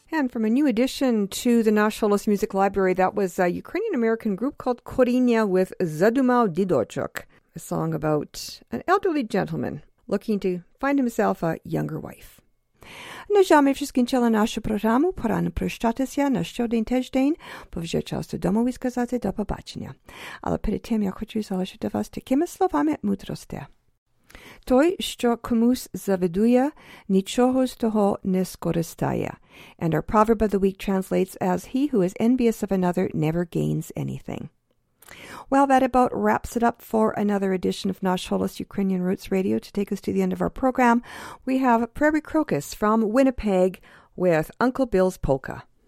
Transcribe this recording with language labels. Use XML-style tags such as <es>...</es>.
<en>from a new addition to the Nash Holos Music Library. That was a Ukrainian-American group called Korinya with Zadumal Didochuk, a song about an elderly gentleman looking to find himself a younger wife.</en> <uk>На жаль, ми скінчили нашу програму. Пора не прощатися на щодень тиждень, бо вже час додому і сказати до побачення. Але перед тим я хочу залишити вас такими словами мудрості. Той, що комусь завидує, нічого з того не скористає.</uk> <en>And our proverb of the week translates as, he who is envious of another never gains anything. Well, that about wraps it up for another edition of Nash Holos Ukrainian Roots Radio. To take us to the end of our program, we have Prairie Crocus from Winnipeg with Uncle Bill's Polka.</en>